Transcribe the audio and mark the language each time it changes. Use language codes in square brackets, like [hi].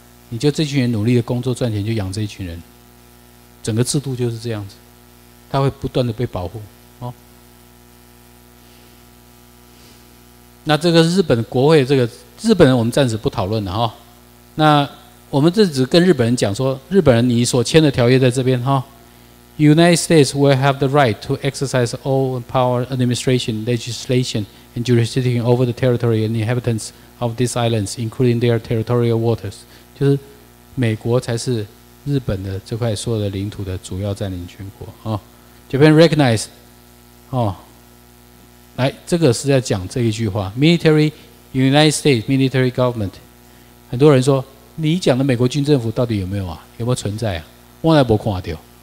[zh] 你就这群人努力的工作赚钱，就养这一群人，整个制度就是这样子，他会不断的被保护，哦。那这个日本国会，这个日本人我们暂时不讨论了哈、哦。那我们这只跟日本人讲说，日本人你所签的条约在这边哈、哦。 [en] United States will have the right to exercise all power, administration, legislation, and jurisdiction over the territory and inhabitants of these islands, including their territorial waters。 [zh] 就是美国才是日本的这块所有的领土的主要占领全国啊、哦。 [en] Japan recognize， [zh] 哦。来，这个是在讲这一句话 ， [en] Military United States Military Government。 [zh] 很多人说，你讲的美国军政府到底有没有啊？有没有存在啊？我来不看到。